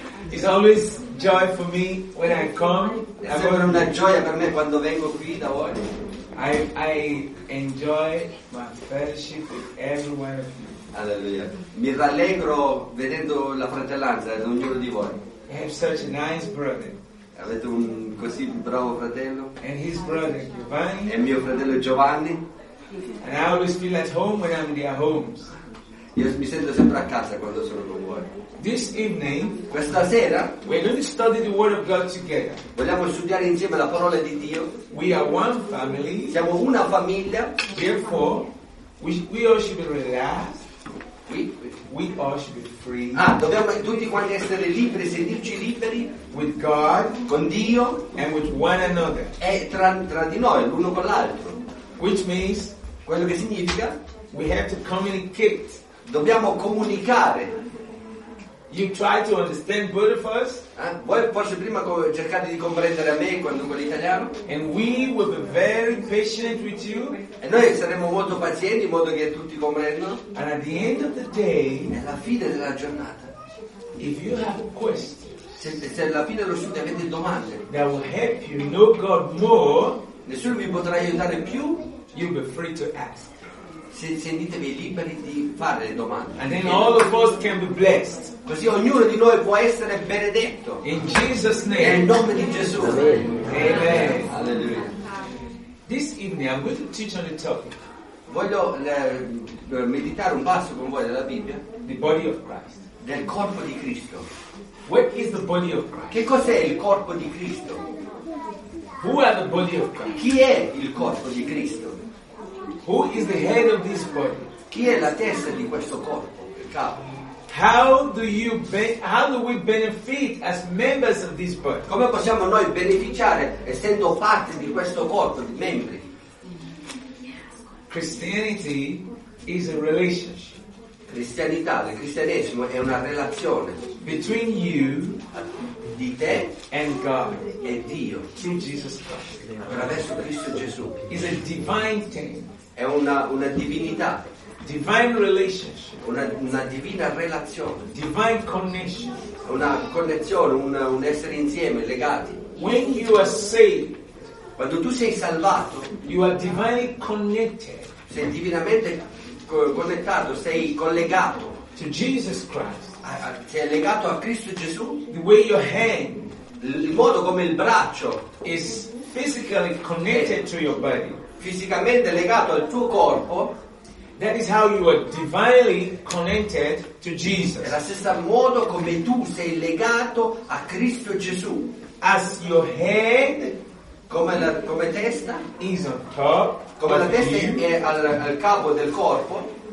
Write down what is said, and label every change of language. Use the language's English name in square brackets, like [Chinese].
[English] It's always joy for me when I come. [Italian] È sempre una gioia per me quando vengo qui da voi. [English] I enjoy my fellowship with everyone of you. Alleluia. [Italian] Mi rallegro vedendo la fratellanza di ognuno di voi. [English] I have such a nice brother. [Italian] Avete un così bravo fratello. [English] And his brother Giovanni. [Italian] E mio fratello Giovanni. [English] And I always feel at home when I'm in their homes. [Italian] Io mi sento sempre a casa quando sono con voi. [English] This evening, [Italian] questa sera, [English] we're going to study the Word of God together. [Italian] Vogliamo studiare insieme la parola di Dio. [English] We are one family. [Italian] Siamo una famiglia. [English] Therefore, we all should be relaxed. We all should be free. [Italian] Ah, dobbiamo tutti quanti essere liberi, sentirci liberi [English] with God, [Italian] con Dio, [English] and with one another. [Italian] E tra di noi, l'uno con l'altro. [English] Which means, [Italian] quello che significa, [English] we have to communicate. [Italian] Dobbiamo comunicare. [English] You try to understand both of us. [Italian] Voi forse prima cercate di comprendere a me quando con l'italiano. [English] And we will be very patient with you. [Italian] E noi saremo molto pazienti in modo che tutti comprendano. [English] And at the end of the day, [Italian] alla fine della giornata, [English] if you have questions, [Italian] se alla fine dello studio avete domande, [English] that will help you know God more, [Italian] nessuno vi potrà aiutare più. [English] You'll be free to ask. [Italian] Sentitevi liberi di fare le domande. [English] And then all of us can be blessed. [Italian] Così ognuno di noi può essere benedetto. [English] In Jesus' name. [Italian] Nel nome di Gesù. Amen. Amen. Alleluia. [English] This evening I'm going to teach on the topic. [Italian] Voglio meditare un passo con voi della Bibbia. [English] The body of Christ. [Italian] Del corpo di Cristo. [English] What is the body of Christ? [Italian] Che cos'è il corpo di Cristo? [English] Who are the body of Christ? [Italian] Chi è il corpo di Cristo? [English] Who is the head of this body? [Italian] Chi è la testa di questo corpo, il capo? [English] How do we benefit as members of this body? [Italian] Come possiamo noi beneficiare essendo parte di questo corpo, di membri? [English] Christianity is a relationship. [Italian] Cristianità, il cristianesimo è una relazione [English] between you [Italian] di te [English] and God [Italian] e Dio [English] through Jesus Christ. [Italian] Attraverso Cristo Gesù. [English] Is a divine thing. [Italian] È una divinità. [English] Divine relationship. [Italian] Una divina relazione. [English] Divine connection. [Italian] Una connessione, un essere insieme, legati. [English] When you are saved, [Italian] quando tu sei salvato, [English] you are divinely connected. [Italian] Sei divinamente connettato, sei collegato. [English] To Jesus Christ. [Italian] Sei legato a Cristo Gesù. [English] The way your hand, [Italian] il modo come il braccio, [English] is physically connected to your body. [Italian] Fisicamente legato al tuo corpo. [English] That is how you are divinely connected to Jesus. [Italian] È la stessa modo come tu sei legato a Cristo Gesù. [English] As your head, [Italian] come testa, [English] is on top, [Italian] come la testa è al capo del corpo,